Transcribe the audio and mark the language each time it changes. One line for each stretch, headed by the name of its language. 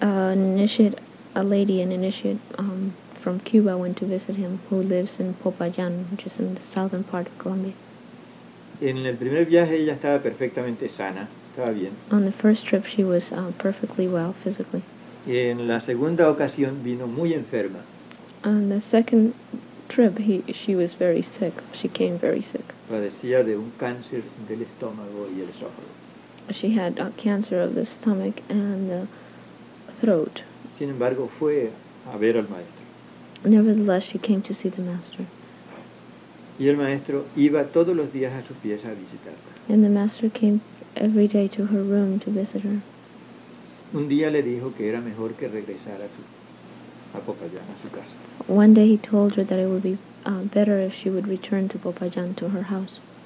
English: An initiate from Cuba went to visit him, who lives in Popayán, which is in the southern part of Colombia.
Spanish: En el primer viaje ella estaba perfectamente sana, estaba bien.
English: On the first trip she was perfectly well physically.
Spanish: Y en la segunda ocasión vino muy enferma.
English: On the second trip, she was very sick. She came very sick.
Spanish: Padecía de un cáncer del estómago y el esófago.
English: She had a cancer of the stomach and the throat.
Spanish: Sin embargo, fue a ver al maestro.
English: Nevertheless, she came to see the master.
Spanish: Y el maestro iba todos los días a sus pies a visitarla.
English: And the master came every day to her room to visit her.
Spanish: Un día le dijo que era mejor que regresara a Popayán, a su casa.
English: One day he told her that it would be better if she would return to Popayán, to her house.